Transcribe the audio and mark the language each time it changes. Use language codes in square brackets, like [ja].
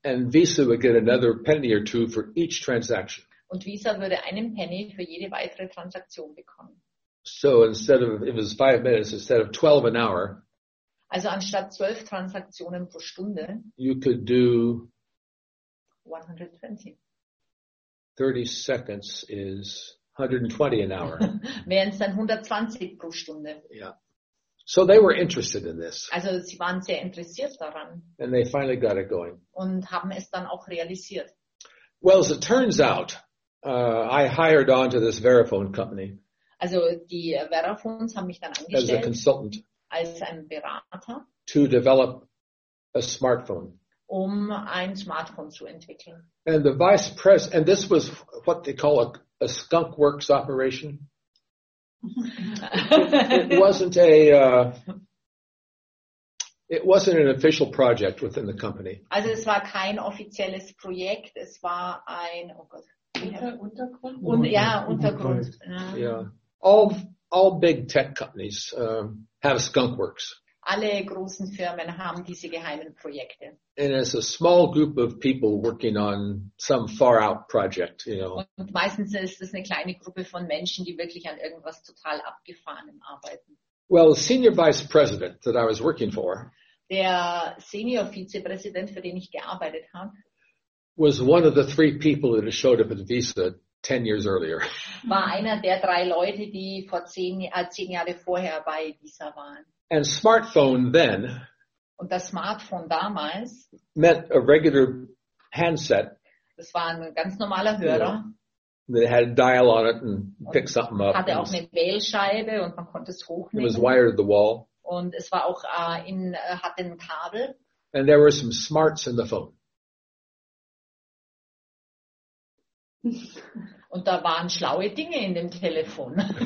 [en] And Visa would get another penny or two for each transaction. [de] Und Visa würde einen Penny für jede weitere Transaktion bekommen. [en] So instead of, it was 5 minutes, instead of 12 an hour. [de] Also anstatt 12 Transaktionen pro Stunde. [en] You could do 120. 30 seconds is 120 an hour. [de] Wären es dann 120 pro Stunde. [en] Yeah. So they were interested in this. [de] Also sie waren sehr interessiert daran. [en] And they finally got it going. [de] Und haben es dann auch realisiert. [en] Well, as it turns out. I hired on to this Verifone company. [de] Also die Verifones haben mich dann angestellt. [en] As a consultant. [de] Als ein Berater. [en] To develop a smartphone. [de] Um ein Smartphone zu entwickeln. [en] And the vice pres and this was what they call a skunk works operation. It wasn't an official project within the company. [de] Also es war kein offizielles Projekt, es war ein Untergrund. [en] Yeah. All big tech companies have skunk works. [de] Alle großen Firmen haben diese geheimen Projekte. [en] And it's a small group of people working on some far out project, you know. [de] Und meistens ist es eine kleine Gruppe von Menschen, die wirklich an irgendwas total abgefahrenem arbeiten. [en] Well, the senior vice president that I was working for. [de] Der Senior Vizepräsident, für den ich gearbeitet habe. [en] Was one of the three people that had showed up at Visa 10 years earlier. [de] War einer der drei Leute, die vor zehn Jahre vorher bei Visa waren. [en] And smartphone then. [de] Und das Smartphone damals. [en] Meant a regular handset. [de] Das war ein ganz normaler Hörer. [en] That had a dial on it and pick something up. [de] Hatte auch eine Wählscheibe und man konnte es hochnehmen. [en] It was wired to the wall. [de] Und es war auch hatte ein Kabel. [en] And there were some smarts in the phone. [de] Und da waren schlaue Dinge in dem Telefon.